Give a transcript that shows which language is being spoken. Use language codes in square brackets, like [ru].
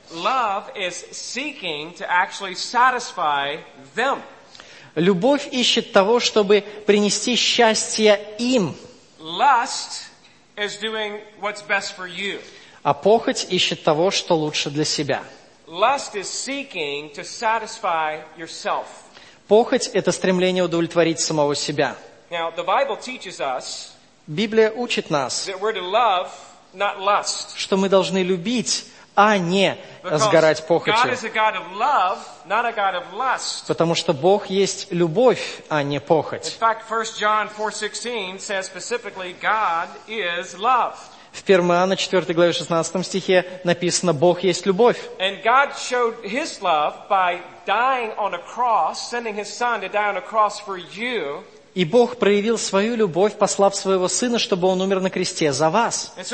[en] Love is seeking to actually satisfy them. [ru] Любовь ищет того, чтобы принести счастье им. [en] Lust is doing what's best for you. [ru] А похоть ищет того, что лучше для себя. [en] Lust is seeking to satisfy yourself. [ru] Похоть – это стремление удовлетворить самого себя. [en] Now, the Bible teaches us, [ru] Библия учит нас, [en] that we're to love, not lust. [ru] Что мы должны любить, а не сгорать похотью. [en] God is a God of love, not a God of lust. [ru] Потому что Бог есть любовь, а не похоть. [en] In fact, 1 John 4:16 says specifically, God is love. [ru] В 1 Иоанна 4 главе 16 стихе написано, Бог есть любовь. [en] And God showed His love by dying on a cross, sending His Son to die on a cross for you. [ru] И Бог проявил свою любовь, послав своего Сына, чтобы Он умер на кресте за вас.